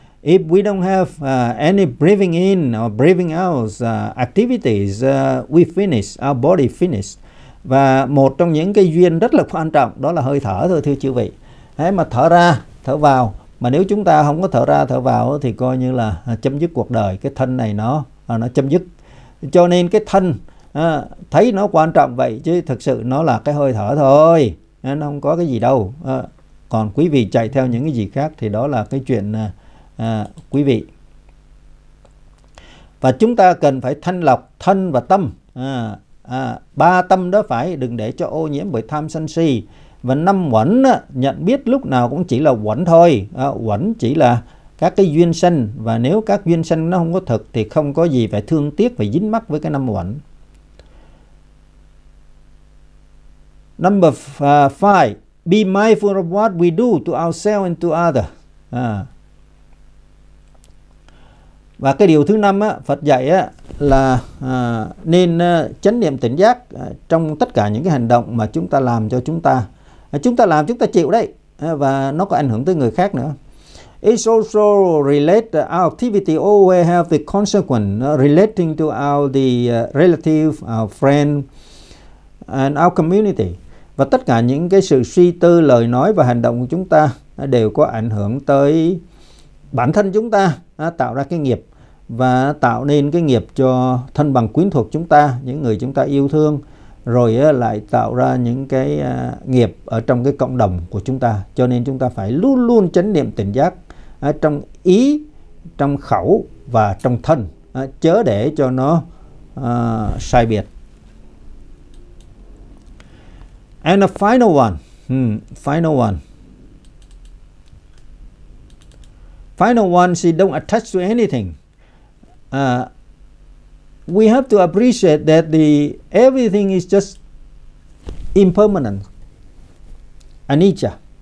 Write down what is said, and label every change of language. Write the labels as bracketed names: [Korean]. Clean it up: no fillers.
[English] If we don't have any breathing in or breathing out activities, we finish, our body finish. [Vietnamese] Và một trong những cái duyên rất là quan trọng đó là hơi thở thôi thưa chư vị. Thế mà thở ra, thở vào, mà nếu chúng ta không có thở ra, thở vào thì coi như là chấm dứt cuộc đời, cái thân này nó chấm dứt. Cho nên cái thân thấy nó quan trọng vậy chứ thực sự nó là cái hơi thở thôi, nó không có cái gì đâu. Còn quý vị chạy theo những cái gì khác thì đó là cái chuyện quý vị. Và chúng ta cần phải thanh lọc thân và tâm. Ba tâm đó phải đừng để cho ô nhiễm bởi tham sân si. Và năm uẩn nhận biết lúc nào cũng chỉ là uẩn thôi. Uẩn chỉ là các cái duyên sanh. Và nếu các duyên sanh nó không có thật thì không có gì phải thương tiếc và dính mắc với cái năm uẩn. [English] Number five, be mindful of what we do to ourselves and to others. [Vietnamese] Và cái điều thứ năm á, Phật dạy á, là nên chánh niệm tỉnh giác trong tất cả những cái hành động mà chúng ta làm cho chúng ta. Chúng ta làm chúng ta chịu đấy, và nó có ảnh hưởng tới người khác nữa. [English] It's also related, our activity always have the consequence relating to our the relative, our friend and our community. [Vietnamese] Và tất cả những cái sự suy tư, lời nói và hành động của chúng ta đều có ảnh hưởng tới bản thân chúng ta, tạo ra cái nghiệp và tạo nên cái nghiệp cho thân bằng quyến thuộc chúng ta, những người chúng ta yêu thương, rồi lại tạo ra những cái nghiệp ở trong cái cộng đồng của chúng ta. Cho nên chúng ta phải luôn luôn chánh niệm tỉnh giác trong ý, trong khẩu và trong thân, chớ để cho nó sai biệt. [English] And the final one, final one, see, don't attach to anything. We have to appreciate that the everything is just impermanent, anicca.